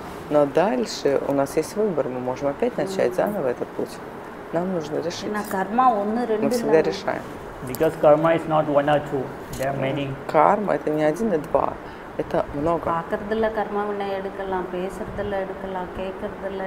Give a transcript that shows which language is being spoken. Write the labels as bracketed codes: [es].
[ru] Но дальше у нас есть выбор, мы можем опять начать заново этот путь. Нам нужно решить. Мы всегда решаем. [en] Because karma is not one or two, there are many. [ru] Карма это не один и два, это много. [ta] பார்க்கறதுல கர்மா ஒன்றை எடுக்கலாம், பேசுறதுல எடுக்கலாம், கேட்கறதுல